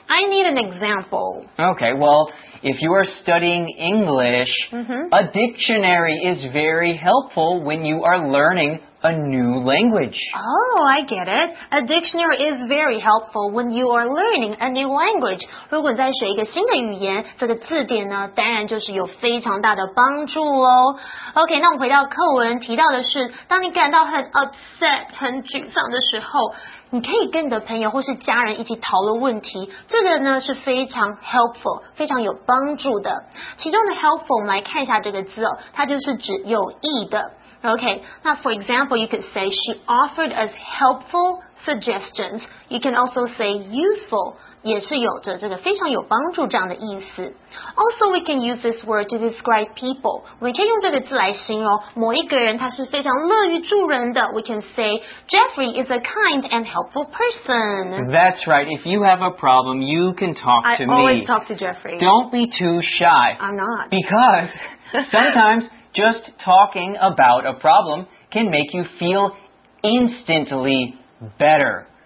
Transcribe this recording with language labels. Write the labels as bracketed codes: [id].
[en] I need an example. Okay, well, if you are studying English, mm-hmm. a dictionary is very helpful when you are learning a new language. Oh, I get it. A dictionary is very helpful when you are learning a new language. [zh] 如果你在学一个新的语言，这个字典呢，当然就是有非常大的帮助咯。 OK, 那我们回到课文提到的是，当你感到很 upset, 很沮丧的时候，你可以跟你的朋友或是家人一起讨论问题，这个呢是非常 helpful, 非常有帮助的。其中的 helpful, 我们来看一下这个字哦，它就是指有益的。 [en] Okay, now for example, you could say she offered us helpful suggestions. You can also say useful, [zh] 也是有着这个非常有帮助这样的意思。 [en] Also, we can use this word to describe people. [zh] 我们可以用这个字来形容某一个人他是非常乐于助人的。 [en] We can say Jeffrey is a kind and helpful person. That's right. If you have a problem, you can talk to me. I always talk to Jeffrey. Don't be too shy. I'm not. Because sometimes... Just talking about a problem can make you feel instantly better.